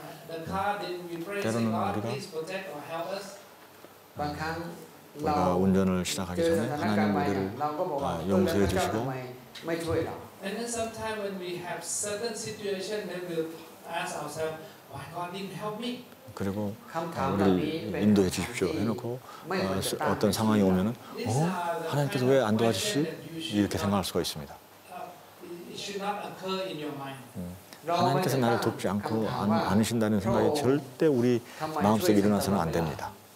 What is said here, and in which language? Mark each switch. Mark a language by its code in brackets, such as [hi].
[en] The car, then we pray to God, please protect or help us. [ko] 우리가 운전을 시작하기 전에 하나님 우리를 용서해 주시고. [en] And then sometimes when we have certain situation, then we'll ask ourselves, why God didn't help me? [ko] 그리고 우리를 인도해 주십시오 해놓고 어떤 상황이 오면은 하나님께서 왜 안 도와주시? 이렇게 생각할 수가 있습니다. [en] It should not occur in your mind. [ko] 하나님께서 나를 돕지 않고 안으신다는 생각이 절대 우리 마음속에 일어나서는 안 됩니다.